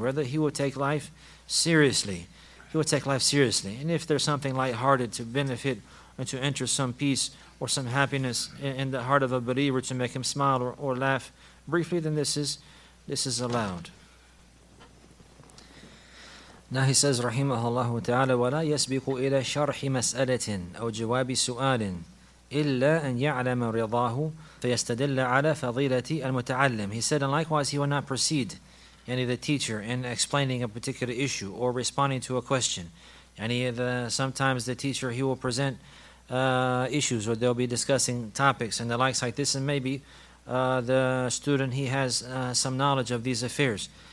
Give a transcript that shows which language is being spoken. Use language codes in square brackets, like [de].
[en] Rather, he would take life seriously. He would take life seriously. And if there's something lighthearted to benefit and to enter some peace or some happiness in the heart of a believer to make him smile or laugh briefly, then this is allowed. Now he says, [ar] رحمه ta'ala, وَلَا يَسْبِقُ إِلَى شَرْحِ مَسْأَلَةٍ أَوْ جِوَابِ سُؤَالٍ إِلَّا أَنْ يَعْلَمَ رِضَاهُ فَيَسْتَدِلَّ عَلَى فَضِيلَةِ الْمُتَعَلِّمِ. [en] He said, and likewise, he will not proceed any of the teacher in explaining a particular issue or responding to a question. Sometimes the teacher, he will present issues, or they'll be discussing topics and the likes like this, and maybe the student, he has some knowledge of these affairs.